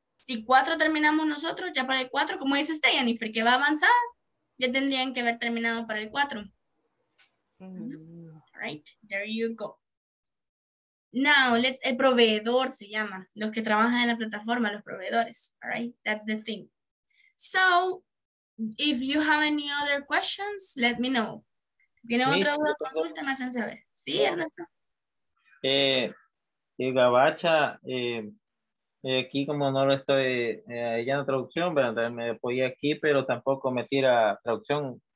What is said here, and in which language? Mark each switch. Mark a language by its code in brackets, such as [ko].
[es] Si cuatro terminamos nosotros, ya para el cuatro, como dice usted, Jennifer, que va a avanzar, ya tendrían que haber terminado para el cuatro. [en] Right, there you go. Now, let's, [es] el proveedor se llama, los que trabajan en la plataforma, los proveedores. [en] All right, that's the thing. So, if you have any other questions, let me know. [es] Si tiene otra duda, consulta, me hacen saber. Sí, Ernesto. Gabacha, aquí como no lo estoy ya en la traducción, pero me apoyé aquí, pero tampoco me tira traducción.